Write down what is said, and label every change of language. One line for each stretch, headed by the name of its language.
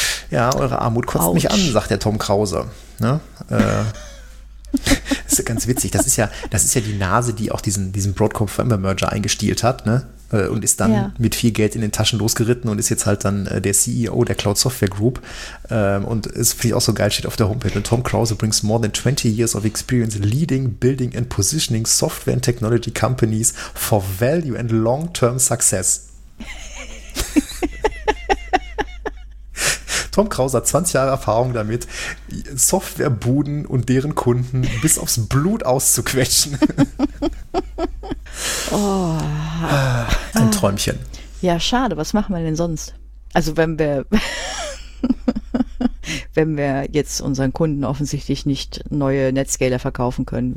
German: Ja, eure Armut kotzt mich an, sagt der Tom Krause. Ne? ist ja ganz witzig. Das ist ja die Nase, die auch diesen Broadcom-Firmware-Merger eingestielt hat, ne? Und ist dann mit viel Geld in den Taschen losgeritten und ist jetzt halt dann der CEO der Cloud Software Group. Und es finde ich auch so geil, steht auf der Homepage.
English: Und Tom Krause brings more than 20 years of experience leading, building and positioning software and technology companies for value and long-term success.
German: Tom Krause hat 20 Jahre Erfahrung damit, Softwarebuden und deren Kunden bis aufs Blut auszuquetschen. Oh. Ein Träumchen. Ja, schade. Was machen wir denn sonst? Also wenn wir jetzt unseren Kunden offensichtlich nicht neue Netscaler verkaufen können.